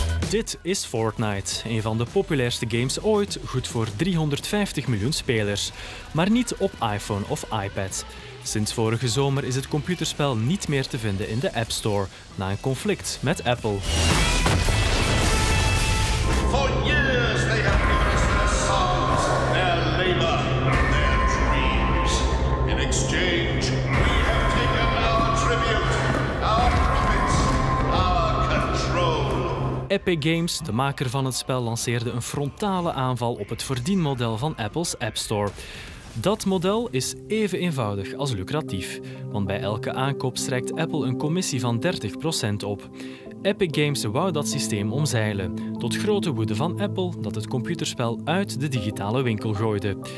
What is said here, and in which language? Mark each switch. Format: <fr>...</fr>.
<nl>Dit is Fortnite, een van de populairste games ooit, goed voor 350 miljoen spelers. Maar niet op iPhone of iPad. Sinds vorige zomer is het computerspel niet meer te vinden in de App Store, na een conflict met Apple.</nl> <en>For years they have given us their songs, their labor, their dreams. In exchange, we have taken our tribute, our profits, our control.</en> <nl>Epic Games, de maker van het spel, lanceerde een frontale aanval op het verdienmodel van Apple's App Store. Dat model is even eenvoudig als lucratief, want bij elke aankoop strijkt Apple een commissie van 30% op. Epic Games wou dat systeem omzeilen, tot grote woede van Apple dat het computerspel uit de digitale winkel gooide.</nl>